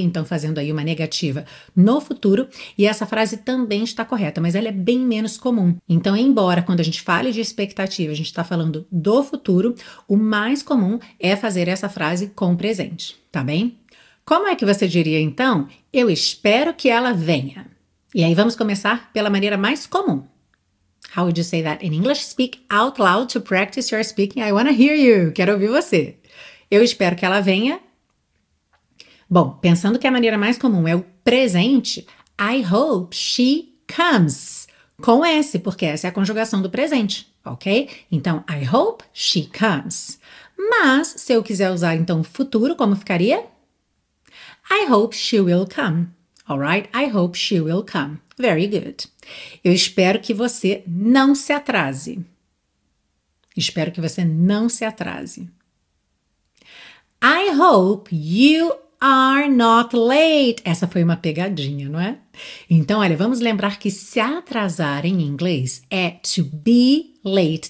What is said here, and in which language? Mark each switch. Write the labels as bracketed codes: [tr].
[pt] Então fazendo aí uma negativa no futuro, e essa frase também está correta, mas ela é bem menos comum. Então, embora quando a gente fale de expectativa, a gente está falando do futuro, o mais comum é fazer essa frase com presente, tá bem? Como é que você diria então? Eu espero que ela venha. E aí vamos começar pela maneira mais comum. [en] How would you say that in English? Speak out loud to practice your speaking. I want to hear you. [pt] Quero ouvir você. Eu espero que ela venha. Bom, pensando que a maneira mais comum é o presente, [en] I hope she comes. [pt] Com S, porque essa é a conjugação do presente, ok? Então, [en] I hope she comes. [pt] Mas, se eu quiser usar, então, o futuro, como ficaria? [en] I hope she will come. Alright, I hope she will come. Very good. [pt] Eu espero que você não se atrase. Espero que você não se atrase. [en] I hope you are not late. [pt] Essa foi uma pegadinha, não é? Então, olha, vamos lembrar que se atrasar em inglês é to be late.